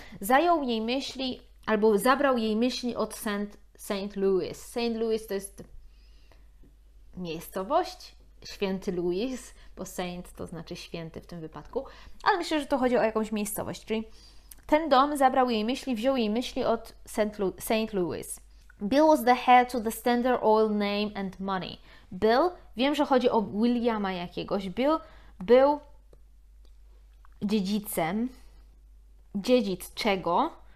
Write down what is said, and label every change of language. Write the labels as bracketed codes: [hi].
[pl] Zajął jej myśli, albo zabrał jej myśli od St. Louis. St. Louis to jest miejscowość, Święty Louis, bo Saint to znaczy święty w tym wypadku. Ale myślę, że to chodzi o jakąś miejscowość, czyli ten dom zabrał jej myśli, wziął jej myśli od St. Louis. [en] Bill was the heir to the Standard Oil name and money. [pl] Bill, wiem, że chodzi o Williama jakiegoś, Bill... Był dziedzicem, dziedzic czego?